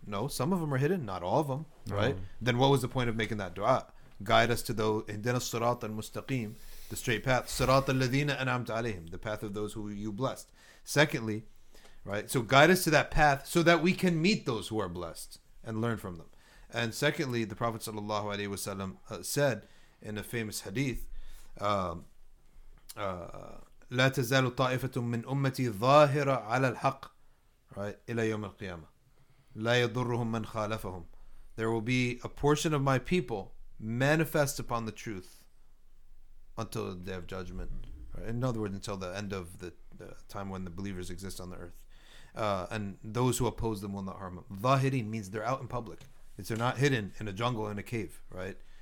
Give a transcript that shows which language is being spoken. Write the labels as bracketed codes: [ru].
[en] No, some of them are hidden, not all of them, right? Then what was the point of making that dua? Guide us to the [ar] ihdina as-sirat al-mustaqim, [en] the straight path. [ar] Sirat al-ladhina an'amta alayhim, [en] the path of those who you blessed. Secondly, right, so guide us to that path so that we can meet those who are blessed and learn from them. And secondly, the Prophet sallallahu alaihi wasallam said in a famous hadith, [ar] لا تزال طائفة من أمتي ظاهرة على الحق إلى يوم القيامة لا يضرهم من خالفهم. [en] There will be a portion of my people manifest upon the truth until the day of judgment. Right? In other words, until the end of the time when the believers exist on the earth. And those who oppose them will not harm them. Zahirin means they're out in public. They're not hidden in a jungle in a cave, right?